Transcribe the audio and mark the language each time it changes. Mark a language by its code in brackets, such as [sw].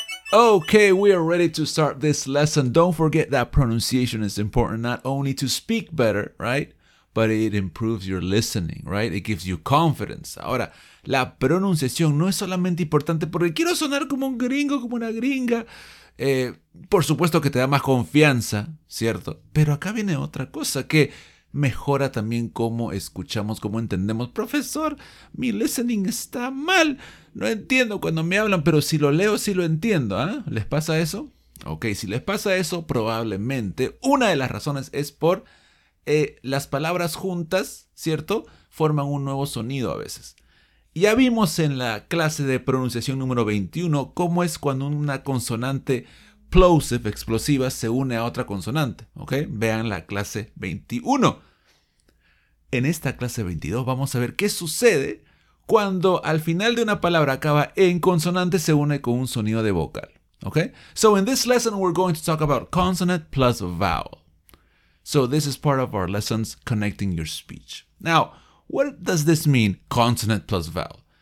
[en] Okay, we are ready to start this lesson. Don't forget that pronunciation is important not only to speak better, right? But it improves your listening, right? It gives you confidence. [es] Ahora, la pronunciación no es solamente importante porque quiero sonar como un gringo, como una gringa. Por supuesto que te da más confianza, ¿cierto? Pero acá viene otra cosa que mejora también cómo escuchamos, cómo entendemos. Profesor, mi listening está mal. No entiendo cuando me hablan, pero si lo leo, sí lo entiendo. ¿Eh? ¿Les pasa eso? Ok, si les pasa eso, probablemente una de las razones es por las palabras juntas, ¿cierto? Forman un nuevo sonido a veces. Ya vimos en la clase de pronunciación número 21 cómo es cuando una consonante plosive, explosiva, se une a otra consonante. ¿Ok? Vean la clase 21. En esta clase 22 vamos a ver qué sucede cuando al final de una palabra acaba en consonante, se une con un sonido de vocal. ¿Ok? [en] So in this lesson we're going to talk about consonant plus vowel. So this is part of our lessons connecting your speech. Now, what does this mean, consonant plus vowel?